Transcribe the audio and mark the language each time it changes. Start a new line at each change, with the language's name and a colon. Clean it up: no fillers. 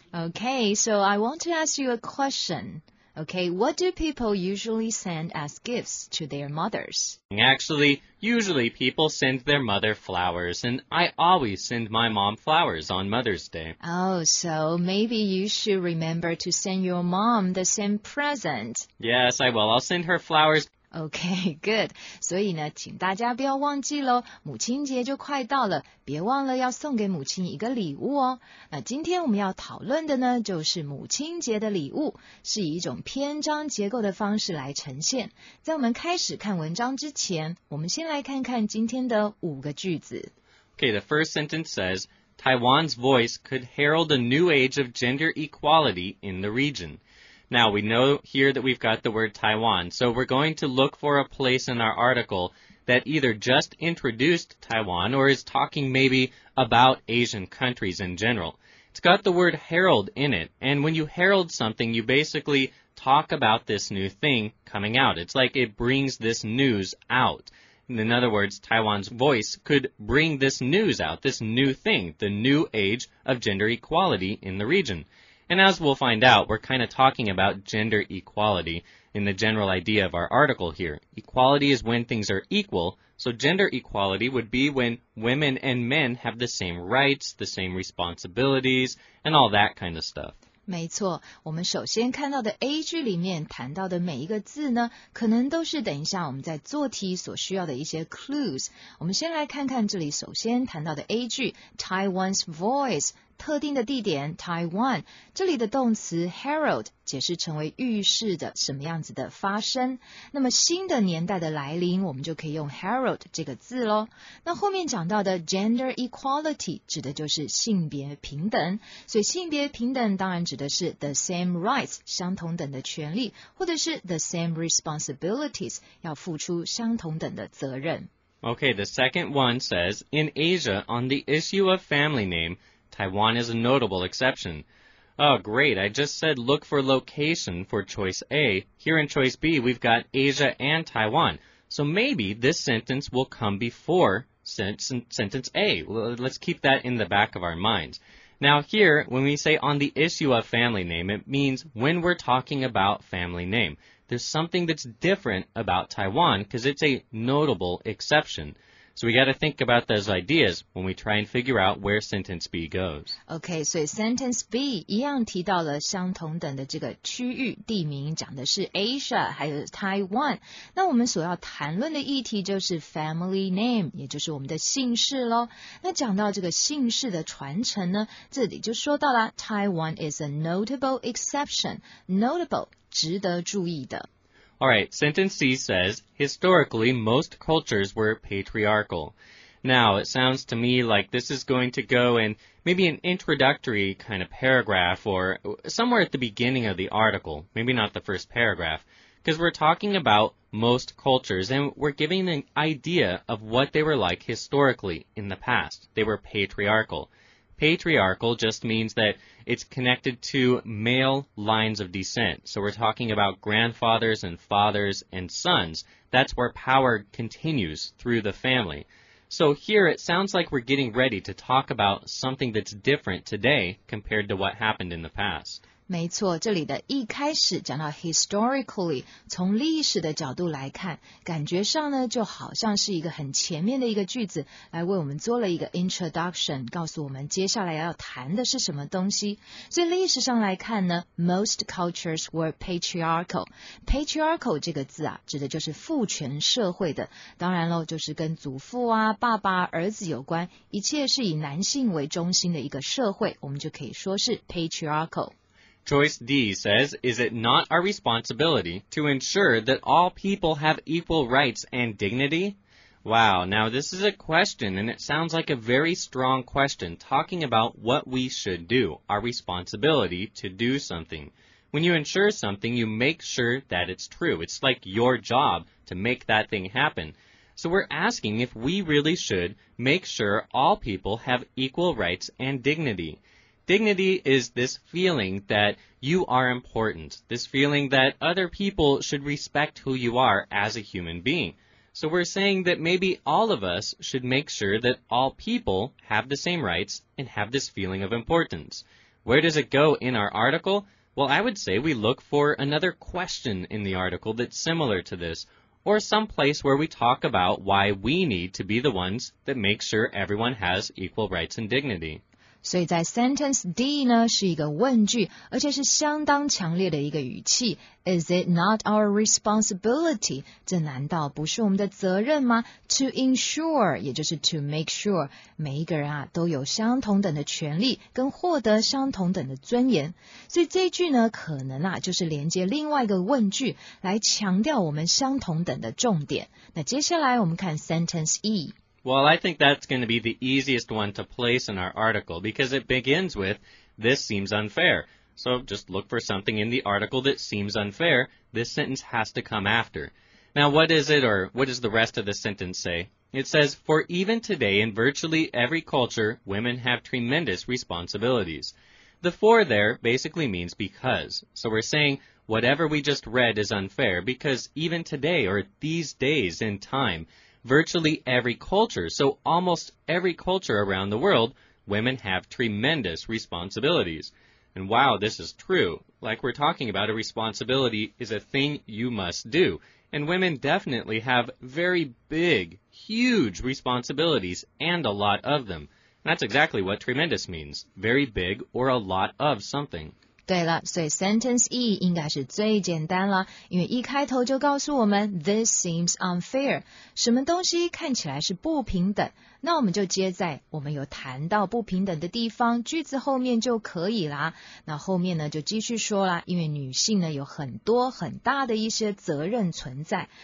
English: Okay, so I want to ask you a question. Okay, what do people usually send as gifts to their mothers? Actually, usually people send their mother flowers, and I always send my mom flowers on Mother's Day. Oh, so maybe you should remember to send your mom the same present. Yes, I will. I'll send her flowers. Okay, good.
Chinese: 所以呢，请大家不要忘记咯，母亲节就快到了，别忘了要送给母亲一个礼物哦。那今天我们要讨论的呢，就是母亲节的礼物，是以一种篇章结构的方式来呈现。在我们开始看文章之前，我们先来看看今天的五个句子。
English: Okay, the first sentence says, Taiwan's voice could herald a new age of gender equality in the region. Now, we know here that we've got the word Taiwan, so we're going to look for a place in our article that either just introduced Taiwan or is talking maybe about Asian countries in general. It's got the word herald in it, and when you herald something, you basically talk about this new thing coming out. It's like it brings this news out. In other words, Taiwan's voice could bring this news out, this new thing, the new age of gender equality in the region. And as we'll find out, we're kind of talking about gender equality in the general idea of our article here. Equality is when things are equal, so gender equality would be when women and men have the same rights, the same responsibilities, and all that kind of stuff.
Chinese: 没错，我们首先看到的 A 句里面谈到的每一个字呢，可能都是等一下我们在做题所需要的一些 clues。我们先来看看这里首先谈到的 A 句 ，
English: Taiwan's voice，
Chinese: 特定的地点 Taiwan， 这里的动词 herald 解释成为预示的什么样子的发声。那么新的年代的来临，我们就可以用 herald 这个字咯。那后面讲到的 gender equality 指的就是性别平等，所以性别平等当然指的是
English: the same rights
Chinese: 相同等的权利，或者是
English: the same responsibilities
Chinese: 要付出相同等的责任。
English: Okay, the second one says, In Asia, on the issue of family name, Taiwan is a notable exception. Oh, great, I just said look for location for choice A. Here in choice B, we've got Asia and Taiwan. So maybe this sentence will come before sentence A. Let's keep that in the back of our minds. Now here, when we say on the issue of family name, it means when we're talking about family name. There's something that's different about Taiwan because it's a notable exception. So we got to think about those ideas when we try and figure out where sentence B goes. Okay, so sentence B
Chinese: 一样提到了相同等的这个区域地名，讲的是 Asia 还有 Taiwan。那我们所要谈论的议题就是 family name， 也就是我们的姓氏咯。那讲到这个姓氏的传承呢，这里就说到了
English: Taiwan is a notable exception.
Chinese: Notable， 值得注意的。
English: Alright, sentence C says, historically, most cultures were patriarchal. Now, it sounds to me like this is going to go in maybe an introductory kind of paragraph or somewhere at the beginning of the article, maybe not the first paragraph, because we're talking about most cultures and we're giving an idea of what they were like historically in the past. They were patriarchal. Patriarchal just means that it's connected to male lines of descent. So we're talking about grandfathers and fathers and sons. That's where power continues through the family. So here it sounds like we're getting ready to talk about something that's different today compared to what happened in the past.
Chinese: 没错，这里的一开始讲到 historically， 从历史的角度来看，感觉上呢就好像是一个很前面的一个句子，来为我们做了一个 introduction， 告诉我们接下来要谈的是什么东西。所以历史上来看呢，
English: most cultures were patriarchal。
Chinese: patriarchal 这个字啊，指的就是父权社会的，当然咯，就是跟祖父啊、爸爸、儿子有关，一切是以男性为中心的一个社会，我们就可以说是 patriarchal。
English: Choice D says, is it not our responsibility to ensure that all people have equal rights and dignity? Wow, now this is a question and it sounds like a very strong question talking about what we should do, our responsibility to do something. When you ensure something, you make sure that it's true. It's like your job to make that thing happen. So we're asking if we really should make sure all people have equal rights and dignity. Dignity is this feeling that you are important, this feeling that other people should respect who you are as a human being. So we're saying that maybe all of us should make sure that all people have the same rights and have this feeling of importance. Where does it go in our article? Well, I would say we look for another question in the article that's similar to this, or some place where we talk about why we need to be the ones that make sure everyone has equal rights and dignity.
Chinese: 所以在 sentence D 呢是一个问句，而且是相当强烈的一个语气。
English: Is it not our responsibility?
Chinese: 这难道不是我们的责任吗 ？
English: To ensure，
Chinese: 也就是
English: to make sure，
Chinese: 每一个人啊都有相同等的权利跟获得相同等的尊严。所以这一句呢，可能啊就是连接另外一个问句，来强调我们相同等的重点。那接下来我们看 sentence E。
English: Well, I think that's going to be the easiest one to place in our article because it begins with, this seems unfair. So just look for something in the article that seems unfair. This sentence has to come after. Now, what is it or what does the rest of the sentence say? It says, for even today in virtually every culture, women have tremendous responsibilities. The for there basically means because. So we're saying, whatever we just read is unfair because even today or these days in time,Virtually every culture, so almost every culture around the world, women have tremendous responsibilities. And wow, this is true. Like we're talking about, a responsibility is a thing you must do. And women definitely have very big, huge responsibilities and a lot of them. And that's exactly what tremendous means, very big or a lot of something.
Chinese: 对了，所以 sentence E 应该是最简单了，因为一开头就告诉我们
English: this seems unfair，
Chinese: 什么东西看起来是不平等，那我们就接在我们有谈到不平等的地方，句子后面就可以啦。那后面呢就继续说啦，因为女性呢有很多很大的一些责任存在。